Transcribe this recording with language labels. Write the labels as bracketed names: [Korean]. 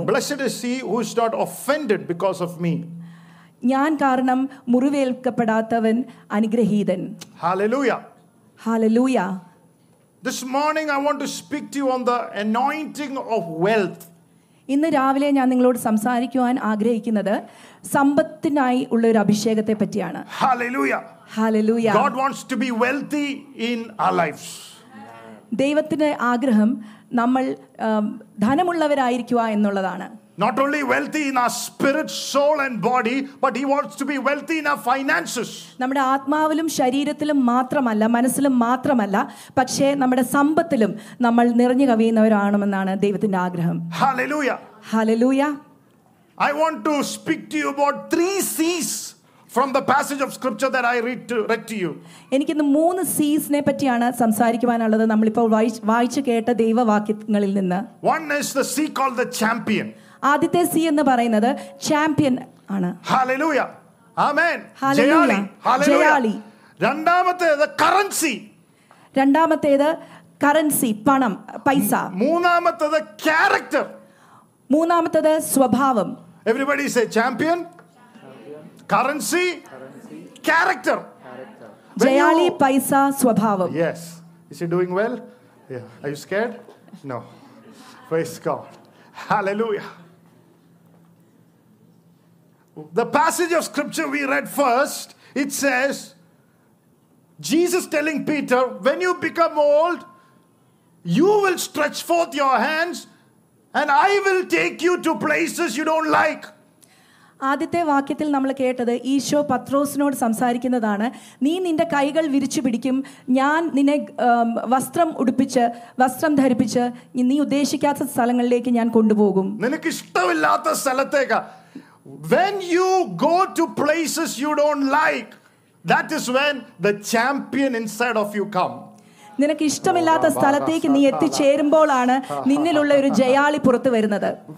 [English] And blessed is he who is not offended because of me. [Malayalam] ഞാൻ കാരണം മുറിവേൽക്കപ്പെടാത്തവൻ അനുഗ്രഹീതൻ. [English] Hallelujah. Hallelujah. This morning I want to speak to you on the anointing of wealth. [Malayalam] ഇന്ന് രാവിലെ ഞാൻ നിങ്ങളോട് സംസാരിക്കുവാൻ ആഗ്രഹിക്കുന്നത് സമ്പത്തിനായി ഉള്ള ഒരു അഭിഷേകത്തെ പറ്റിയാണ്. [English] Hallelujah. Hallelujah. God wants to be wealthy in our lives. [Malayalam] ദൈവത്തിന്റെ ആഗ്രഹം നമ്മൾ ധനമുള്ളവരായിരിക്കുക എന്നുള്ളതാണ്. [English] Not only wealthy in our spirit, soul and body, but he wants to be wealthy in our finances. [Malayalam] നമ്മുടെ ആത്മാവിലും ശരീരത്തിലും മാത്രമല്ല, മനസ്സിലും മാത്രമല്ല, പക്ഷേ നമ്മുടെ സമ്പത്തിലും നമ്മൾ നിറഞ്ഞു കവിയുന്നവരാണെന്നാണ് ദൈവത്തിന്റെ ആഗ്രഹം. [English] Hallelujah. Hallelujah. I want to speak to you about 3 C's from the passage of scripture that I read to you. [Malayalam] എനിക്ക് ഇന്ന് 3 C's നെ പറ്റിയാണ് സംസാരിക്കാനുള്ളത്. നമ്മൾ ഇപ്പോൾ വായിച്ചു കേട്ട ദൈവവാക്യങ്ങളിൽ നിന്ന്. [English] One is the C called the champion. [Malayalam] ആദ്യത്തെ സി എന്ന് പറയുന്നത് ചാമ്പ്യൻ ആണ്. ഹല്ലേലൂയ. ആമേൻ. ജയാളി. ജയാളി. രണ്ടാമത്തേത് കറൻസി. രണ്ടാമത്തേത് കറൻസി, പണം, പൈസ. മൂന്നാമത്തേത് ക്യാരക്ടർ. മൂന്നാമത്തേത് സ്വഭാവം. [English] Everybody say champion, currency, character. [Malayalam] ജയാളി, പൈസ, സ്വഭാവം. [English] Yes. Is he doing well? Are you scared? No. Praise God. Hallelujah. The passage of scripture we read first, it says, Jesus telling Peter, when you become old, you will stretch forth your hands and I will take you to places you don't like. [Malayalam] ആദ്യത്തെ വാക്യത്തിൽ നമ്മൾ കേട്ടത് ഈശോ പത്രോസിനോട് സംസാരിക്കുന്നതാണ്. നീ നിന്റെ കൈകൾ വിരിച്ചു പിടിക്കും, ഞാൻ നിന്നെ വസ്ത്രം ഉടുപ്പിച്ച്, വസ്ത്രം ധരിപ്പിച്ച് നീ ഉദ്ദേശിക്കാത്ത സ്ഥലങ്ങളിലേക്ക് ഞാൻ കൊണ്ടുപോകും. നിനക്ക് ഇഷ്ടമില്ലാത്ത സ്ഥലത്തേക്ക്. [English] When you go to places you don't like, that is when the champion inside of you comes. [Malayalam] നിനക്ക് ഇഷ്ടമില്ലാത്ത സ്ഥലത്തേക്ക് നീ എത്തിച്ചേരുമ്പോഴാണ് നിന്നിലുള്ള ഒരു ജയാളി പുറത്തു വരുന്നത്.